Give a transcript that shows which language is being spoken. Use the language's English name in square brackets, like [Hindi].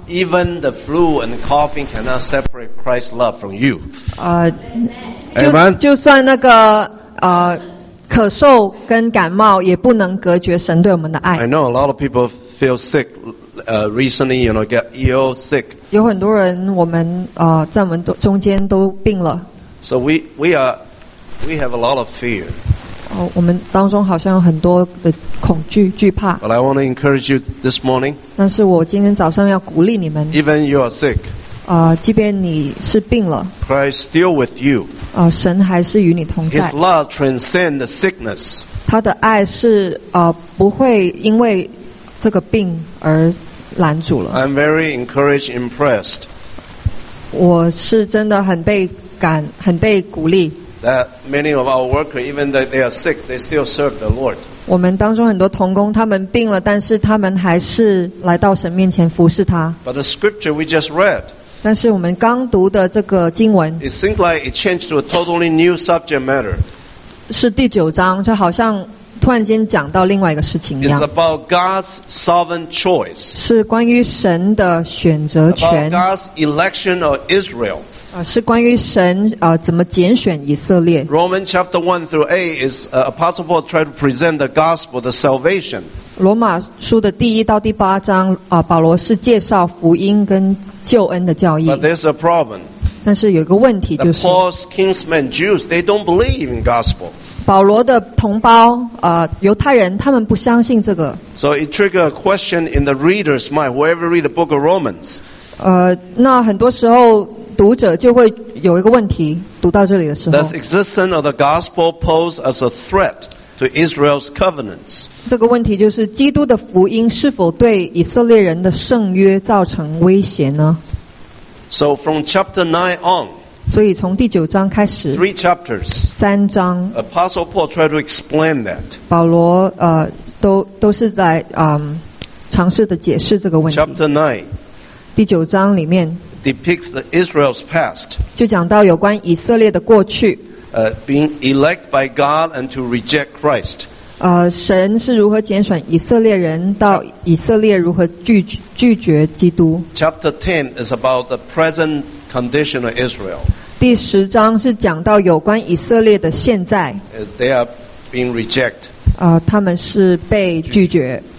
[English] Even the flu and coughing cannot separate Christ's love from you. Amen. [Chinese] 就算那个咳嗽跟感冒也不能隔绝神对我们的爱。 [English] I know a lot of people feel sick recently, you know, get ill sick. [Chinese] 有很多人我们在我们中间都病了。 [English] So we have a lot of fear. [Chinese] 我们当中好像有很多的恐惧惧怕。 [English] But I want to encourage you this morning. [Chinese] 但是我今天早上要鼓励你们。 [English] Even you are sick. [Chinese] 即便你是病了。 [English] Christ still with you. [Chinese] 神还是与你同在。 [English] His love transcends the sickness. [Chinese] 他的爱是不会因为这个病而拦阻了。 [English] I'm very encouraged, impressed. [Chinese] 我是真的很被感，很被鼓励。 [English] That many of our workers, even though they are sick, they still serve the Lord. [Chinese] 我们当中很多同工，他们病了，但是他们还是来到神面前服侍他。 [English] But the scripture we just read. [Chinese] 但是我们刚读的这个经文。 [English] It seems like it changed to a totally new subject matter. [Chinese] 是第九章，就好像。突然间讲到另外一个事情一样。 [English] It's about God's sovereign choice. [Chinese] 是关于神的选择权。 [English] About God's election of Israel. [Chinese] 是关于神怎么拣选以色列。 [English] Romans chapter 1 through 8 is Apostle Paul trying to present the gospel, the salvation. [Chinese] 罗马书的第一到第八章保罗是介绍福音跟救恩的教义。 [English] But there's a problem. [Chinese] 但是有一个问题就是。 [English] Paul's kinsmen Jews, they don't believe in gospel. [Chinese] 保罗的同胞犹太人他们不相信这个。 [English] So it triggered a question in the reader's mind, whoever read the book of Romans. [Chinese] 那很多时候读者就会有一个问题，读到这里的时候。 [English] Does existence of the gospel pose as a threat to Israel's covenants? [Chinese] 这个问题就是基督的福音是否对以色列人的圣约造成威胁呢？ [English] So from chapter 9 on, [Chinese] 所以从第九章开始 [English] Three chapters, [Chinese] 三章 [English] Apostle Paul tried to explain that. [Chinese] 保罗都是在尝试的解释这个问题 [English] Chapter 9, [Chinese] 第九章里面 [English] depicts the Israel's past, [Chinese] 就讲到有关以色列的过去 [English] being elect by God and to reject Christ. [Chinese] 神是如何拣选以色列人到以色列如何拒绝基督 [English] Chapter 10 is about the presentcondition of Israel. [Chinese] 第十章是讲到有关以色列的现在。 [English] They are being rejected. [Chinese] 他们是被拒绝。